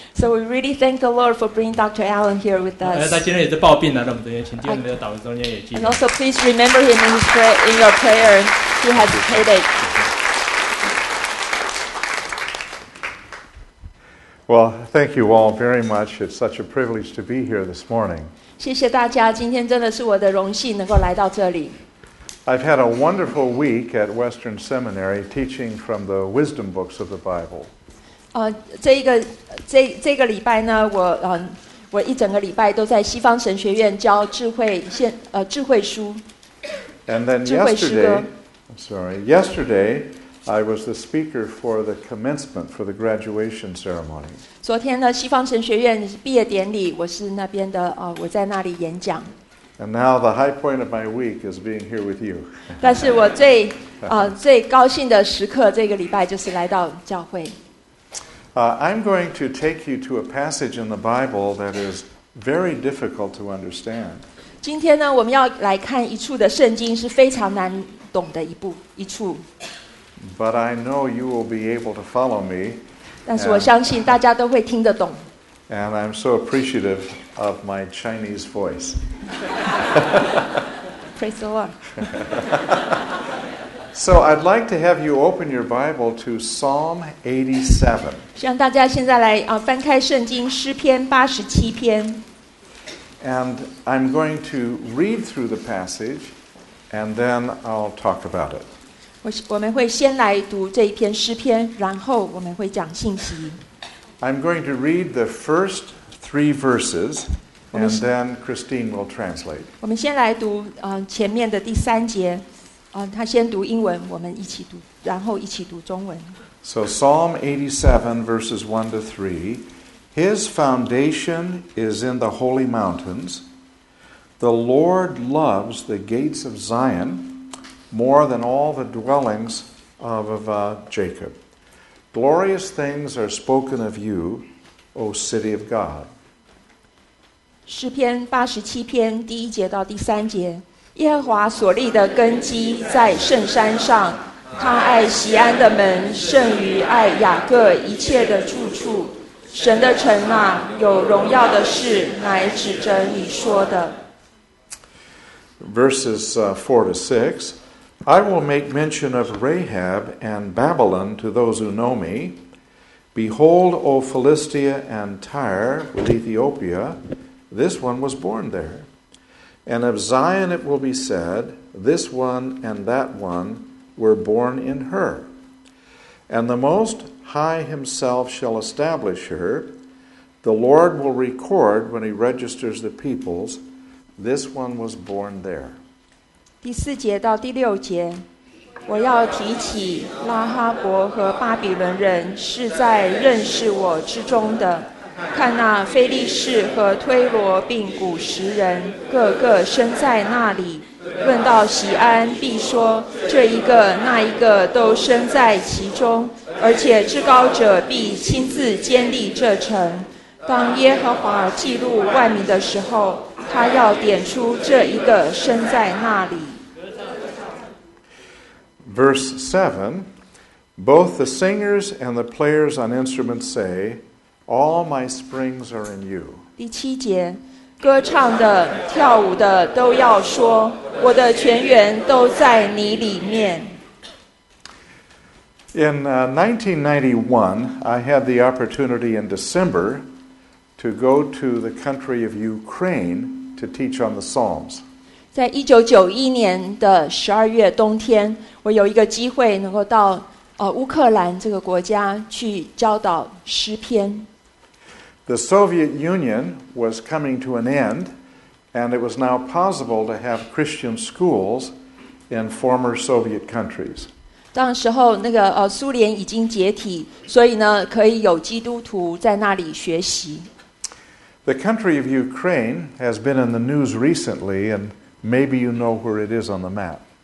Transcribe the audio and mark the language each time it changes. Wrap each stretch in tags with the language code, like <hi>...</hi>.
<en>So we really thank the Lord for bringing Dr. Alan here with us.</en> <zh>他今天也是抱病来到我们中间，请弟兄们在祷告中间也记得。</zh> <en>And also please remember him in his prayer, in your prayer. He has a headache. Well, thank you all very much. It's such a privilege to be here this morning.</en> <zh>谢谢大家，今天真的是我的荣幸能够来到这里。</zh> <en>I've had a wonderful week at Western Seminary teaching from the wisdom books of the Bible.</en> <zh>这个礼拜呢，我一整个礼拜都在西方神学院教智慧书。</zh> <en>And then yesterday I was the speaker for the commencement for the graduation ceremony.</en> <zh>昨天呢，西方神学院毕业典礼，我是那边的我在那里演讲。</zh> <en>And now the high point of my week is being here with you.</en> <zh>但是我最最高兴的时刻，这个礼拜就是来到教会。</zh> <en>I'm going to take you to a passage in the Bible that is very difficult to understand.</en> <zh>今天呢，我们要来看一处的圣经是非常难懂的一处。</zh> <en>But I know you will be able to follow me.</en> <zh>但是我相信大家都会听得懂。</zh> <en>And I'm so appreciative of my Chinese voice. Praise the Lord. So I'd like to have you open your Bible to Psalm 87.</en> <zh>希望大家现在来翻开圣经诗篇87篇。</zh> <en>And I'm going to read through the passage, and then I'll talk about it.</en> <zh>我们会先来读这一篇诗篇，然后我们会讲信息。</zh> <en>I'm going to read the first three verses, and then Christine will translate.</en> <zh>我们先来读前面的第三节，他先读英文，我们一起读，然后一起读中文。</zh> <en>So Psalm 87, verses 1 to 3. His foundation is in the holy mountains. The Lord loves the gates of Zion more than all the dwellings of Jacob. Glorious things are spoken of you, O city of God.</en> <zh>诗篇八十七篇第一节到第三节，耶和华所立的根基在圣山上，他爱锡安的门胜于爱雅各一切的住处。神的城啊，有荣耀的事乃指着你说的。</zh> <en>Verses 4 to 6. I will make mention of Rahab and Babylon to those who know me. Behold, O Philistia and Tyre with Ethiopia, this one was born there. And of Zion it will be said, this one and that one were born in her. And the Most High himself shall establish her. The Lord will record when he registers the peoples, this one was born there.</en> <zh>第四节到第六节，我要提起拉哈伯和巴比伦人是在认识我之中的，看那腓力士和推罗并古实人个个身在那里，论到锡安必说这一个那一个都身在其中，而且至高者必亲自建立这城。当耶和华记录万民的时候，他要点出这一个身在那里。</zh> <en>Verse 7, both the singers and the players on instruments say, all my springs are in you.</en> <zh>第七节，歌唱的、跳舞的都要说，我的泉源都在你里面。</zh> <en>In 1991, I had the opportunity in December to go to the country of Ukraine to teach on the Psalms.</en> <zh>在1991年的12月冬天，我有一个机会能够到乌克兰这个国家去教导诗篇。</zh> <en>The Soviet Union was coming to an end, and it was now possible to have Christian schools in former Soviet countries.</en> <zh>当时候那个苏联已经解体，所以呢可以有基督徒在那里学习。</zh> <en>The country of Ukraine has been in the news recently, and maybe you know where it is on the map.</en>